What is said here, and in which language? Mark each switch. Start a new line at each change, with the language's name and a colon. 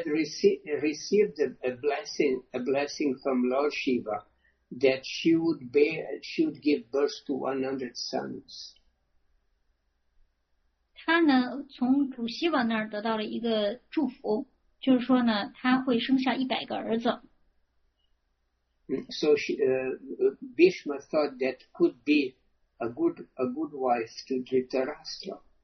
English: She had received a blessing from Lord Shiva that she would give birth to 100 sons.
Chinese: 她呢，从主希瓦那儿得到了一个祝福，就是说呢，她会生下100个儿子。
English: So Bhishma thought that could be a good wife to Dhritarashtra.